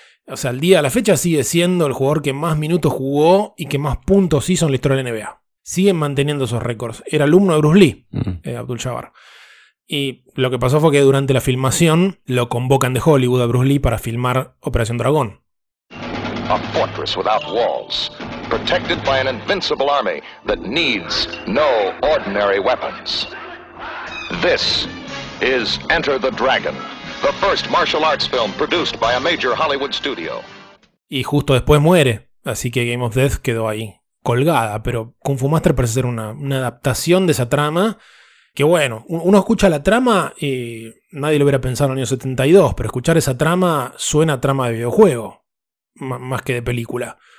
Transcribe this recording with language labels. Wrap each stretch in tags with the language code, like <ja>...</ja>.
<es>O sea, al día de la fecha sigue siendo el jugador que más minutos jugó y que más puntos hizo en la historia de la NBA. Siguen manteniendo esos récords. Era alumno de Bruce Lee, Abdul-Jabbar. Y lo que pasó fue que durante la filmación lo convocan de Hollywood a Bruce Lee para filmar Operación Dragón.</es> <en>A fortress without walls, protected by an invincible army that needs no ordinary weapons. This is Enter the Dragon. The first martial arts film produced by a major Hollywood studio.</en> <es>Y justo después muere, así que Game of Death quedó ahí colgada. Pero Kung Fu Master parece ser una adaptación de esa trama. Que bueno, uno escucha la trama y nadie lo hubiera pensado en el año 72. Pero escuchar esa trama suena a trama de videojuego, más que de película.</es>